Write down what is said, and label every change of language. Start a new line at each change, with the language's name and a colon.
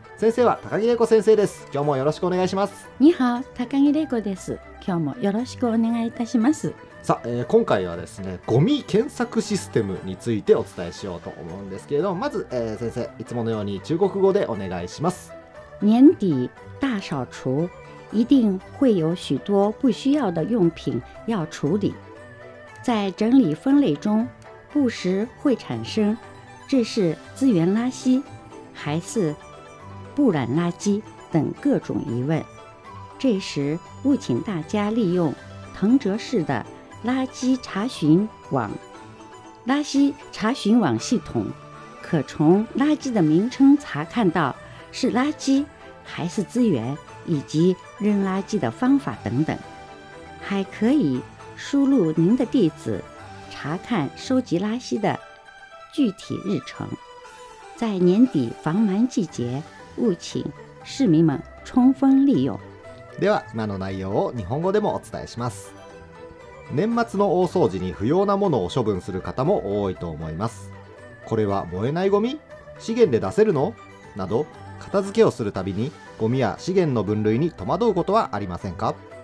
Japanese: 先生は高木玲子先生です。今日もよろしくお願いします。你好、高木玲子です。今日もよろしくお願いいたします。さあ、今回はですね、ゴミ検索システムについてお伝えしようと思うんですけれども、まず、先生、いつものように中国語でお願いします。
Chinese: 年底大扫除，一定会有许多不需要的用品要处理，在整理分类中不时会产生这是资源垃圾还是不染垃圾等各种疑问，这时务请大家利用腾哲式的垃圾查询网，垃圾查询网系统可从垃圾的名称查看到是垃圾还是资源，以及扔垃圾的方法等等，还可以输入您的地址查看收集垃圾的具体日程。在年底繁忙季节，务请市民们充分利用。
Japanese: では今の内容を日本語でもお伝えします。年末の大掃除に不要なものを処分する方も多いと思います。これは燃えないゴミ？資源で出せるの？など片付けをするたびにゴミや資源の分類に戸惑うことはありませんか？